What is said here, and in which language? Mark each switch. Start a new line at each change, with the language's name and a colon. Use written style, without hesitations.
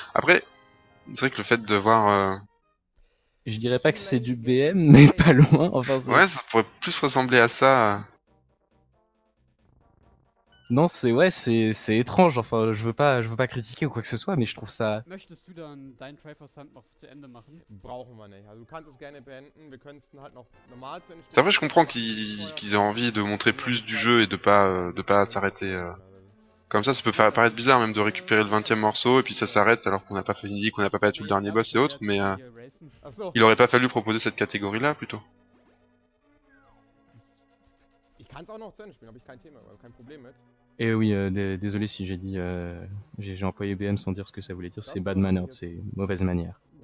French: Après, c'est vrai que le fait de voir... Je dirais pas que c'est du BM, mais pas loin, enfin... Ouais, ça pourrait plus ressembler à ça... Non, c'est étrange, enfin je veux pas critiquer ou quoi que ce soit, mais je trouve ça.
German: Möchtest du dann dein Triforce Hunt noch zu Ende machen? Brauchen wir nicht. Also du kannst es gerne beenden, wir könnten halt noch normal zu Ende.
French: Après, je comprends qu'ils aient envie de montrer plus du jeu et de pas s'arrêter. Comme ça peut paraître bizarre même de récupérer le 20e morceau et puis ça s'arrête alors qu'on n'a pas fini, qu'on n'a pas battu le dernier boss et autres, mais il aurait pas fallu proposer cette catégorie là plutôt.
German: Ich kann's auch noch zu Ende spielen, habe ich kein Thema, kein Problem mit.
French: Et oui, désolé si j'ai dit. J'ai employé BM sans dire ce que ça voulait dire, c'est bad manner, c'est mauvaise manière.